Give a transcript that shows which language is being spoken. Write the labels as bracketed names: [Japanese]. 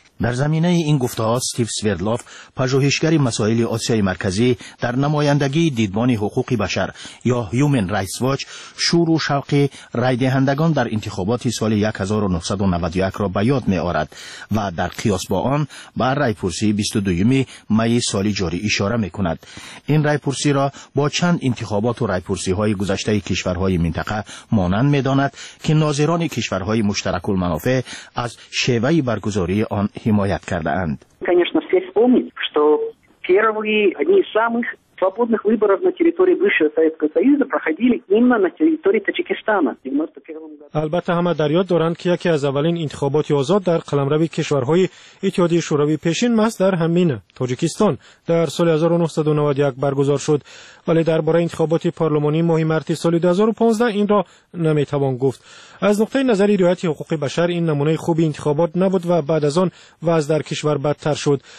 [Persian] در زمینه این گفته‌ها استیو سویردلوف، پژوهشگر مسائل آسیای مرکزی در نمایندگی دیدبان حقوق بشر یا Human Rights Watch، شور و شوق رای دهندگان در انتخابات سال 1991 را به یاد می‌آورد و در قیاس با آن به رایپرسی 22 می سال جاری اشاره می‌کند. این رایپرسی را با چند انتخابات و رایپرسی‌های گذشته کشورهای منطقه مانند می‌داند که ناظران کشورهای مشترک المنافع از شیوه برگزاری آن حمایت کرده اند. [Russian] Конечно, все вспомнить, что первые одни из самых свободных выборов на территории бывшего Советского Союза проходили именно на территории Таджикистана в 91 году. [Tajik] Албатта ҳама дар ёд доранд, ки яке аз аввалин интихоботи озод дар қаламрави кишварҳои Иттиҳодияи Шӯравӣ пешин маҳз дар ҳамин Таҷикистон дар соли 1991 баргузор шуд, вале дар бораи интихоботи парлумонӣ моҳи марти соли 2015 инро наметавон гуфт. [Persian] از نقطه نظر رعایت حقوق بشر این نمونه خوبی انتخابات نبود و بعد از آن وضع در کشور بدتر شد.